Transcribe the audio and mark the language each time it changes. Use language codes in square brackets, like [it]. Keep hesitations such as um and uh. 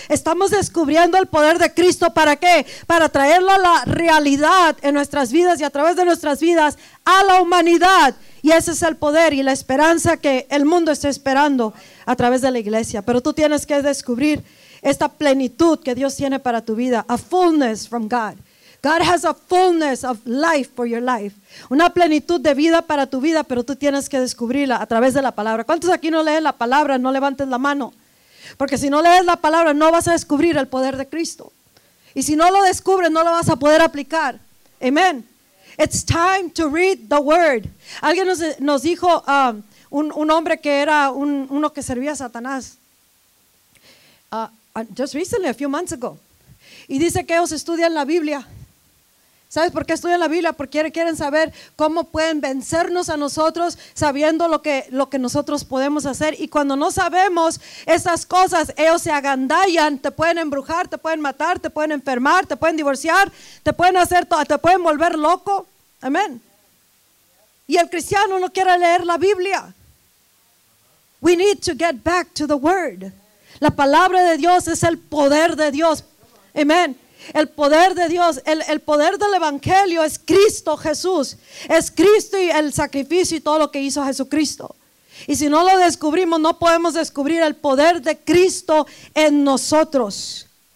[es] Estamos descubriendo el poder de Cristo. ¿Para qué? Para traerlo a la realidad en nuestras vidas y a través de nuestras vidas a la humanidad. Y ese es el poder y la esperanza que el mundo está esperando a través de la iglesia. Pero tú tienes que descubrir esta plenitud que Dios tiene para tu vida, [en] a fullness from God. God has a fullness of life for your life. [es] Una plenitud de vida para tu vida, pero tú tienes que descubrirla a través de la palabra. ¿Cuántos aquí no leen la palabra? No levantes la mano. Porque si no lees la palabra, no vas a descubrir el poder de Cristo. Y si no lo descubres, no lo vas a poder aplicar. Amén. [en] It's time to read the word. [es] Alguien nos, nos dijo um, un, un, hombre que era un, uno que servía a Satanás. [en] Uh, just recently, a few months ago. [es] Y dice que ellos estudian la Biblia. ¿Sabes por qué estudian la Biblia? Porque quieren saber cómo pueden vencernos a nosotros sabiendo lo que, lo que nosotros podemos hacer. Y cuando no sabemos esas cosas, ellos se agandallan, te pueden embrujar, te pueden matar, te pueden enfermar, te pueden divorciar, te pueden hacer todo, te pueden volver loco. Amén. Y el cristiano no quiere leer la Biblia. [en] We need to get back to the word. [es] La palabra de Dios es el poder de Dios. Amén. El poder de Dios, el, el, poder del Evangelio es Cristo Jesús. Es Cristo y el sacrificio y todo lo que hizo Jesucristo. Y si no lo descubrimos, no podemos descubrir el poder de Cristo en nosotros.